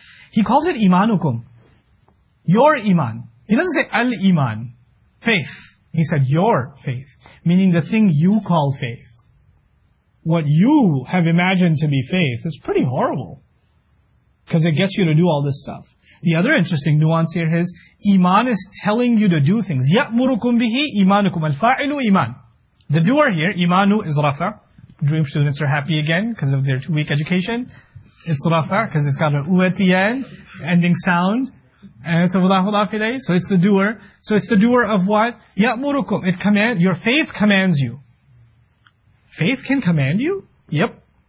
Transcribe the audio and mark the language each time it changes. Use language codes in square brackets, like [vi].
[en] He calls it imanukum. Your iman. He doesn't say al-iman. Faith. He said your faith. Meaning the thing you call faith. What you have imagined to be faith is pretty horrible. Because it gets you to do all this stuff. The other interesting nuance here is, iman is telling you to do things. [ar] يَأْمُرُكُمْ بِهِ إِمَانُكُمْ الْفَاعِلُ iman. [en] The doer here, imanu is rafa. Dream students are happy again because of their 2-week education. It's rafa because it's got an u at the end, ending sound. And it's a wulahu lafidai. So it's the doer. So it's the doer of what? [ar] يَأْمُرُكُمْ. [en] It commands, your faith commands you. Faith can command you? Yep.